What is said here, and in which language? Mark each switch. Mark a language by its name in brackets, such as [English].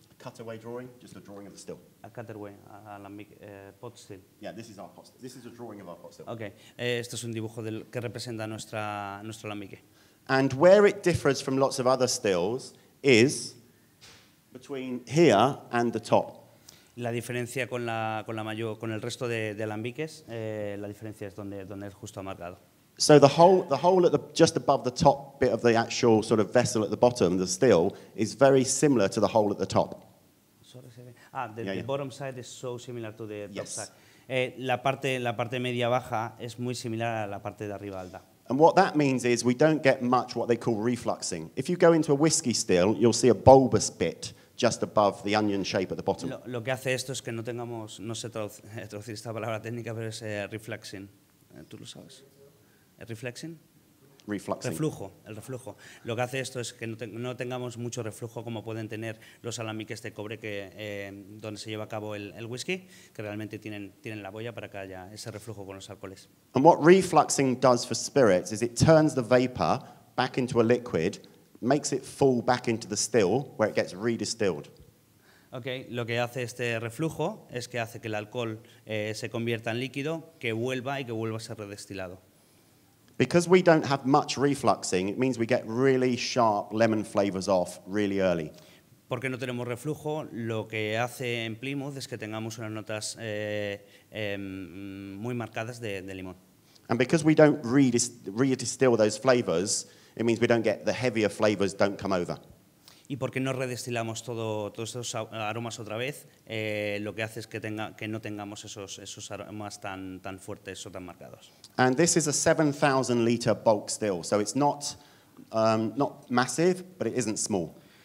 [English] A cutaway drawing, just a drawing of the still. A cutaway, alambique, pot still. Yeah, this is our pot still. This is a drawing of our pot still. [Spanish] Okay, esto es un dibujo que representa nuestro alambique. [English] And where it differs from lots of other stills is between here and the top. [Spanish] La diferencia con el resto de alambiques, la diferencia es donde es justo marcado. [English] So the hole at the just above the top bit of the actual sort of vessel at the bottom, the still, is very similar to the hole at the top. Sorry, the bottom side is so similar to the top side. [Spanish] La parte media baja es muy similar a la parte de arriba alta. [English] And what that means is we don't get much what they call refluxing. If you go into a whiskey still, you'll see a bulbous bit just above the onion shape at the bottom. [Spanish] Lo que hace esto es que no tengamos, no sé traducir esta palabra técnica, pero es refluxing. ¿Tú lo sabes? ¿Refluxing? [English] Refluxing. [Spanish] Reflujo, el reflujo. Lo que hace esto es que no tengamos mucho reflujo como pueden tener los alambiques de cobre que, donde se lleva a cabo el whisky, que realmente tienen la boya para que haya ese reflujo con los alcoholes. [English] And what refluxing does for spirits is it turns the vapor back into a liquid, makes it fall back into the still where it gets redistilled. [Spanish] Okay, lo que hace este reflujo es que hace que el alcohol se convierta en líquido, que vuelva y que vuelva a ser redestilado. [English] Because we don't have much refluxing, it means we get really sharp lemon flavors off really early. [Spanish] Porque no tenemos reflujo, lo que hace en Plymouth es que tengamos unas notas muy marcadas de limón. [English] And because we don't redistill those flavors, it means we don't get the heavier flavors don't come over. [Spanish] Y porque no redestilamos todos esos aromas otra vez, lo que hace es que no tengamos esos aromas tan fuertes o tan marcados. [English] And this is a 7,000 liter bulk still, so it's not massive, but it isn't small.